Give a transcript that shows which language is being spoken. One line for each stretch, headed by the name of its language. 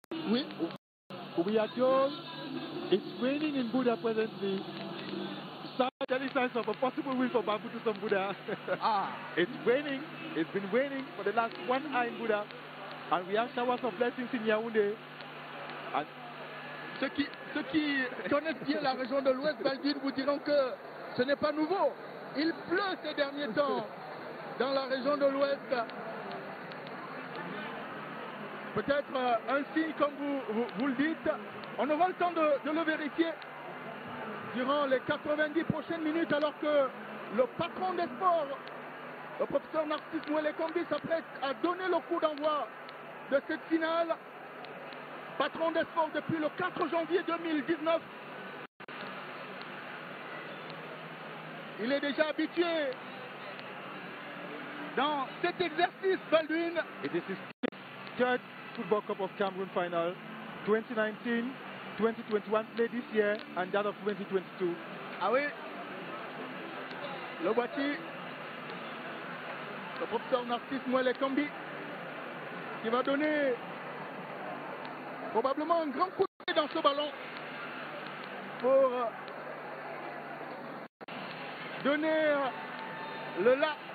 English: We are told it's raining in Buddha presently. Some early signs of a possible win for Bambouto from Buddha. It's raining. It's been raining for the last 1 hour in Buddha. And we have showers of blessings in Yaoundé. And
French: ceux qui connaissent bien la région de l'Ouest Baldine vous diront que ce n'est pas nouveau. Il pleut ces derniers temps dans la région de l'Ouest. Peut-être un signe, comme vous le dites. On aura le temps de le vérifier durant les 90 prochaines minutes, alors que le patron des sports, le professeur Narcisse Mouelé-Combi, s'apprête à donner le coup d'envoi de cette finale. Patron des sports depuis le 4 janvier 2019. Il est déjà habitué dans cet exercice, Baldwin. Et c'est le
English: third Football Cup of Cameroun final, 2019, 2021, played this year, and that of 2022.
French: Ah oui. Le voici. Le professeur Narcisse Mouelé-Combi qui va donner probablement un grand coup de pied dans ce ballon pour donner le là.